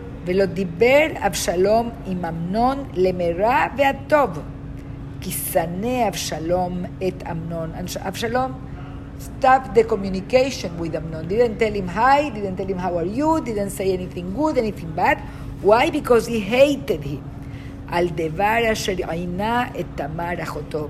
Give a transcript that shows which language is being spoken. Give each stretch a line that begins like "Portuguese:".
Hebrew: ולא דיבר אבשלום עם אמנון למרע והטוב, כי שנא אבשלום את אמנון.
English: אבשלום stopped the communication with Amnon. Didn't tell him hi, didn't tell him how are you, didn't say anything good, anything bad. Why? Because he hated him.
Hebrew: על דבר אשר עינה את תמר אחותו.